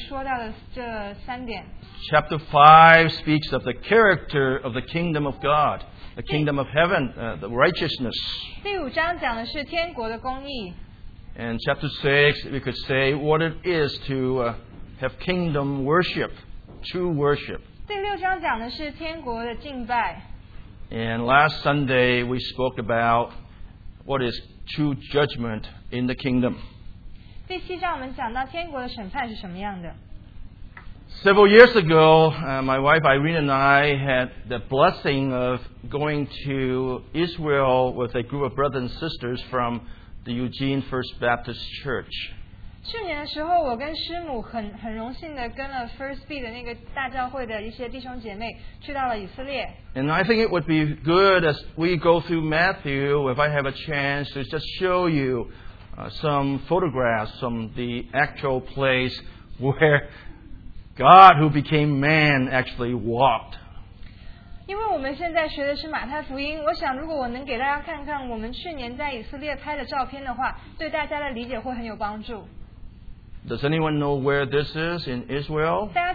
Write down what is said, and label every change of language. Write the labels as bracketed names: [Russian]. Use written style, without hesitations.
[Chinese] 登山宝训它有三个重点，我们要记住的，就是幻灯片上面说到的这三点。 [English] Chapter 5 speaks of the character of the kingdom of God, the kingdom of heaven, the righteousness. [Chinese] 第五章讲的是天国的公义。 [English] And chapter 6, we could say what it is to have kingdom worship, true worship. [Chinese] 第六章讲的是天国的敬拜。 [English] And last Sunday, we spoke about what is true judgment in the kingdom. [Chinese] 第七章我们讲到天国的审判是什么样的。 [English] Several years ago, my wife Irene and I had the blessing of going to Israel with a group of brothers and sisters from the Eugene First Baptist Church. [Chinese] 去年的时候，我跟师母很荣幸的跟了 First B 的那个大教会的一些弟兄姐妹去到了以色列。 [English] And I think it would be good as we go through Matthew if I have a chance to just show you some photographs from the actual place where God, who became man, actually walked. [Chinese] 因为我们现在学的是马太福音，我想如果我能给大家看看我们去年在以色列拍的照片的话，对大家的理解会很有帮助。 [English] Does anyone know where this is in Israel?